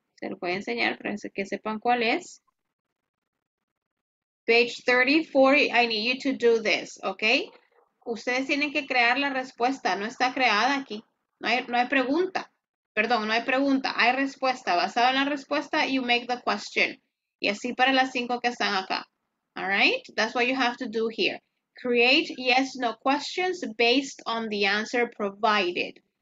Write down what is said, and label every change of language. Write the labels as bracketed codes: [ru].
[es] Se lo voy a enseñar para que sepan cuál es. [en] Page 34, I need you to do this, okay? [es] Ustedes tienen que crear la respuesta. No está creada aquí. No hay pregunta. Perdón, no hay pregunta. Hay respuesta. Basada en la respuesta, [en] you make the question. [es] Y así para las cinco que están acá. [en] All right? That's what you have to do here. Create yes, no questions based on the answer provided.